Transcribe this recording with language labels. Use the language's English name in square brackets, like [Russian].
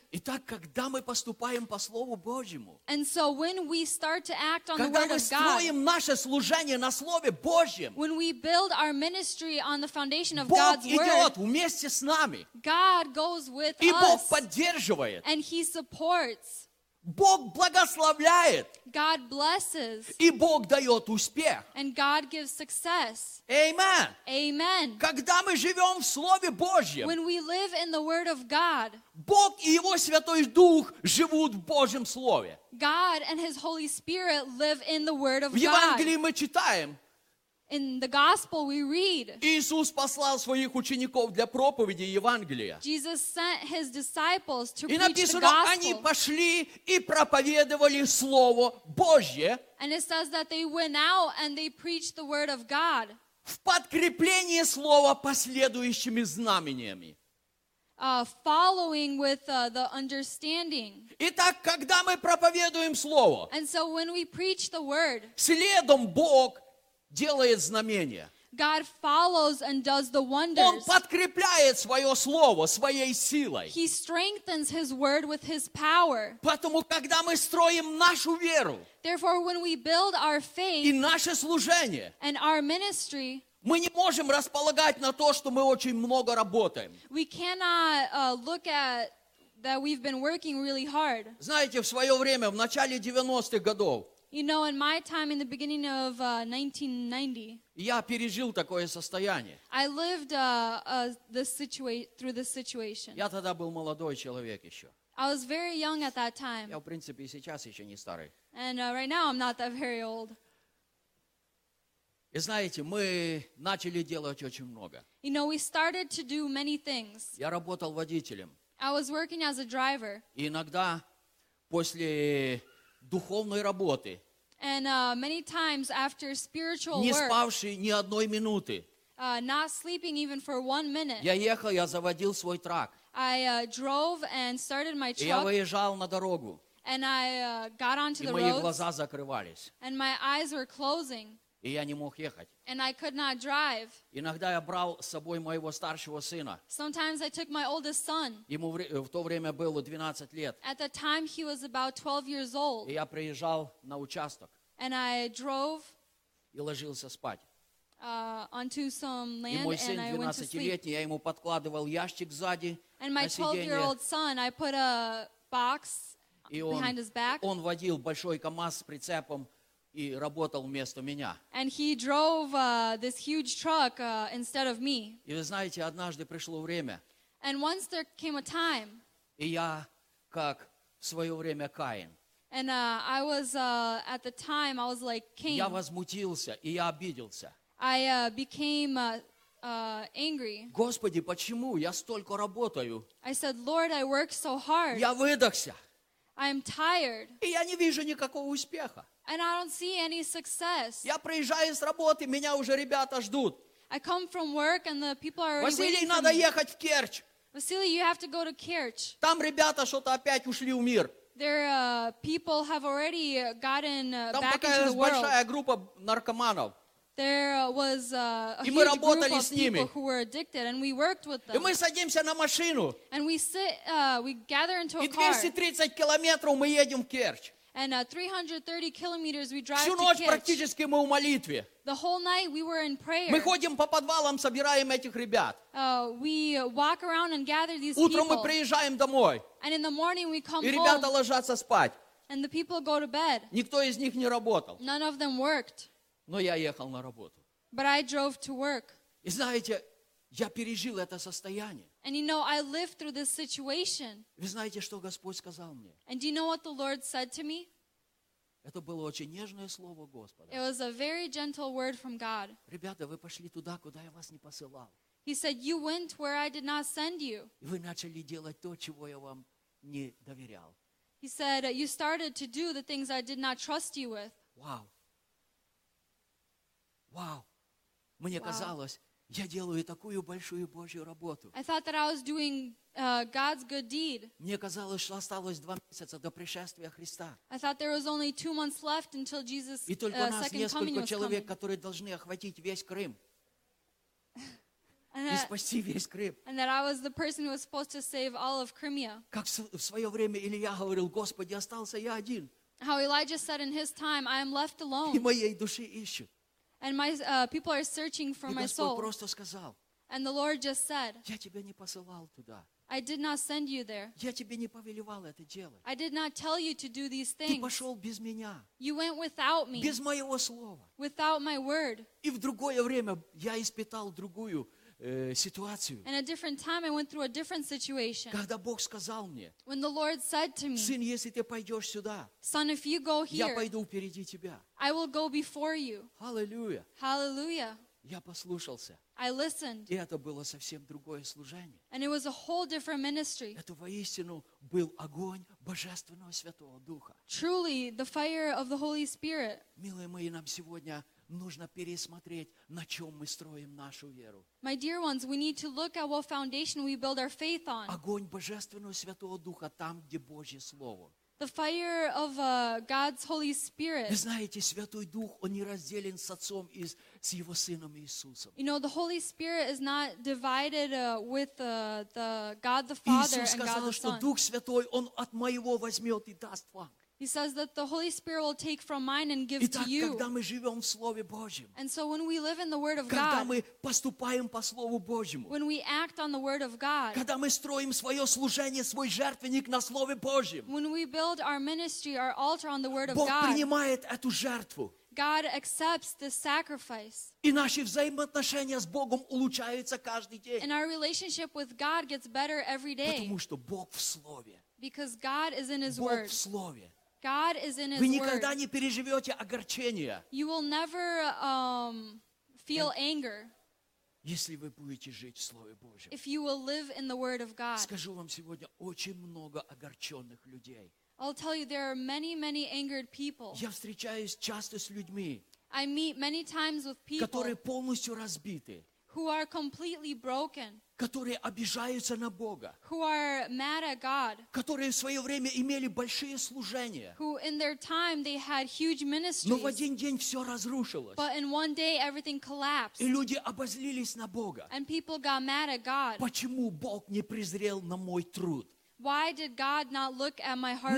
[Russian] Итак, когда мы поступаем по Слову Божьему, [English] and so when we start to act on the Word of God, [Russian] когда мы строим наше служение на Слове Божьем, [English] when we build our ministry on the foundation of [Russian] Бог [English] God's [Russian] идет [English] Word, [Russian] вместе с нами, [English] God goes with [Russian] и [English] us, [Russian] Бог поддерживает, [English] and He supports. [Russian] Бог благословляет, [English] God blesses, [Russian] и Бог дает успех, [English] and God gives success. Amen. Amen. [Russian] Когда мы живем в Слове Божьем, [English] when we live in the Word of God, [Russian] Бог и Его Святой Дух живут в Божьем Слове. [English] God and His Holy Spirit live in the Word of God. [Russian] В Евангелии мы читаем. [English] In the gospel we read, [Russian] Иисус послал своих учеников для проповеди Евангелия. [English] Jesus sent his disciples to [Russian] и написано, [English] preach the gospel. [Russian] Они пошли и проповедовали Слово Божье. [English] And it says that they went out and they preached the word of God. [Russian] В подкрепление Слова последующими знамениями. [English] Following with the understanding. [Russian] Итак, когда мы проповедуем Слово, [English] and so when we preach the word, [Russian] следом Бог делает знамения. [English] God follows and does the wonders. [Russian] Он подкрепляет свое слово своей силой. [English] He strengthens his word with his power. [Russian] Поэтому, когда мы строим нашу веру, [English] therefore, when we build our faith, [Russian] и наше служение, [English] and our ministry, [Russian] мы не можем располагать на то, что мы очень много работаем. [English] We cannot look at that we've been working really hard. [Russian] Знаете, в свое время, в начале 90-х годов, [English] you know, in my time, in the beginning of 1990, [Russian] я пережил такое состояние. [English] I lived through this situation. [Russian] Я тогда был молодой человек еще. [English] I was very young at that time. [Russian] Я, в принципе, и сейчас еще не старый. [English] And right now, I'm not that very old. [Russian] И знаете, мы начали делать очень много. [English] You know, we started to do many things. [Russian] Я работал водителем. [English] I was working as a driver. [Russian] И иногда после духовной работы. [English] And many times after spiritual work. [Russian] Не спавший ни одной минуты. [English] Not sleeping even for 1 minute. [Russian] Я ехал, я заводил свой трак. [English] I drove and started my truck. [Russian] И я выезжал на дорогу. [English] And I got onto the road. [Russian] И мои глаза закрывались. [English] And my eyes were closing. [Russian] И я не мог ехать. [English] And I could not drive. [Russian] Иногда я брал с собой моего старшего сына. [English] Sometimes I took my oldest son. [Russian] Ему в то время было 12 лет. [English] At the time he was about 12 years old. [Russian] И я приезжал на участок. [English] And I drove. [Russian] И ложился спать. [English] Onto some land, [Russian] и мой сын, 12-летний, я ему подкладывал ящик сзади на сиденье. [English] And my 12-year-old son, I put a box behind his back. [Russian] Он водил большой КамАЗ с прицепом и работал вместо меня. [English] And he drove this huge truck instead of me. [Russian] И вы знаете, однажды пришло время. [English] And once there came a time. [Russian] И я, как в свое время Каин. [English] And I was at the time I was like Cain. [Russian] Я возмутился и я обиделся. [English] I became angry. [Russian] Господи, почему я столько работаю? [English] I said, Lord, I work so hard. [Russian] Я выдохся. [English] I'm tired. [Russian] И я не вижу никакого успеха. [English] And I don't see any success. [Russian] Я приезжаю с работы, меня уже ребята ждут. [English] I come from work and the people are waiting. [Russian] Василий, надо ехать в Керчь. [English] Vasily, you have to go to Kerch. [Russian] Там ребята что-то опять ушли в мир. [English] Their people have already gotten [Russian] там [English] back into the world. [Russian] Там такая большая группа наркоманов. [English] There was a huge group of people who were addicted, and we worked with them. [Russian] И мы садимся на машину. [English] And we sit, we gather into a car. [Russian] И 230 километров мы едем в Керчь. [English] And 330 kilometers we drive to [Russian] Керчь. Всю ночь практически мы в молитве. [English] The whole night we were in prayer. [Russian] Мы ходим по подвалам, собираем этих ребят. [English] We walk around and gather these [Russian] утром Утром мы приезжаем домой. [English] And in the morning we come [Russian] и ребята [English] home. [Russian] Ложатся спать. [English] And the people go to bed. [Russian] Никто из них не работал. [English] None of them worked. [Russian] Но я ехал на работу. [English] But I drove to work. [Russian] И знаете, я пережил это состояние. [English] And you know, I lived through this situation. [Russian] Вы знаете, что Господь сказал мне? [English] And do you know what the Lord said to me? [Russian] Это было очень нежное слово Господа. [English] It was a very gentle word from God. [Russian] Ребята, вы пошли туда, куда я вас не посылал. [English] He said, you went where I did not send you. [Russian] И вы начали делать то, чего я вам не доверял. [English] He said, you started to do the things I did not trust you with. Wow. [Russian] Вау, мне wow. казалось, я делаю такую большую Божью работу. [English] I thought that I was doing God's good deed. [Russian] Мне казалось, что осталось 2 месяца до пришествия Христа. [English] I thought there was only 2 months left until Jesus' second coming was coming. [Russian] И только нас несколько человек, которые должны охватить весь Крым. [English] And that, [Russian] и спасти весь Крым. [English] And that I was the person who was supposed to save all of Crimea. [Russian] Как в свое время Илья говорил, Господи, остался я один. [English] How Elijah said in his time, I am left alone. [Russian] И моей души ищут. [English] And my people are searching for my soul. [Russian] Сказал, [English] and the Lord just said, [Russian] я тебя не посылал туда. [English] I did not send you there. [Russian] Я тебе не повелевал это делать. [English] I did not tell you to do these things. [Russian] Ты пошел без меня. [English] You went without me. [Russian] Без моего слова. [English] Without my word. [Russian] И в другое время я испытал другую ситуацию. [English] And a different time I went through a different situation. [Russian] Когда Бог сказал мне, [English] when the Lord said to me, [Russian] сын, если ты пойдешь сюда, [English] son, if you go here, [Russian] я пойду впереди тебя. [English] I will go before you. Hallelujah. Hallelujah. [Russian] Я послушался. [English] I listened. [Russian] И это было совсем другое служение. [English] And it was a whole different ministry. [Russian] Это воистину был огонь Божественного Святого Духа. [English] Truly, the fire of the Holy Spirit. [Russian] Милые мои, нам сегодня нужно пересмотреть, на чем мы строим нашу веру. [English] My dear ones, we need to look at what foundation we build our faith on. [Russian] Огонь Божественного Святого Духа там, где Божье Слово. [English] The fire of God's Holy Spirit. [Russian] Вы знаете, Святой Дух, Он не разделен с Отцом и с Его Сыном Иисусом. [English] You know, the Holy Spirit is not divided with the God the Father [Russian] Иисус сказал, [English] and God the Son. [Russian] Что Дух Святой, Он от Моего возьмет и даст вам. [English] He says that the Holy Spirit will take from mine and give [Russian] Итак, [English] to you. [Russian] Когда мы живем в Слове Божьем, [English] and so when we live in the Word of [Russian] когда [English] God, [Russian] мы поступаем по Слову Божьему, [English] when we act on the Word of God, [Russian] когда мы строим свое служение, свой жертвенник на Слове Божьем, [English] when we build our ministry, our altar on the Word [Russian] Бог [English] of God, [Russian] принимает эту жертву, [English] God accepts this sacrifice. [Russian] И наши взаимоотношения с Богом улучшаются каждый день. [English] And our relationship with God gets better every day. [Russian] Потому что Бог в Слове. [English] Because God is in His [Russian] Бог [English] Word. [Russian] В Слове. [English] God is in His Word. [Russian] Вы никогда не переживете огорчения. [English] You will never feel anger. [Russian] Если вы будете жить в Слове Божьем. [English] If you will live in the Word of God. [Russian] Скажу вам сегодня, очень много огорченных людей. [English] I'll tell you, there are many, many angered people. [Russian] Я встречаюсь часто с людьми. [English] I meet many times with people. [Russian] Которые полностью разбиты. [English] Who are completely broken. [Russian] Которые обижаются на Бога. [English] Who are mad at God. [Russian] Которые в свое время имели большие служения. [English] Who in their time they had huge ministries. [Russian] Но в один день все разрушилось. [English] But in one day everything collapsed. [Russian] И люди обозлились на Бога. [English] And people got mad at God. [Russian] Почему Бог не презрел на мой труд? [English] Why did God not look at my hard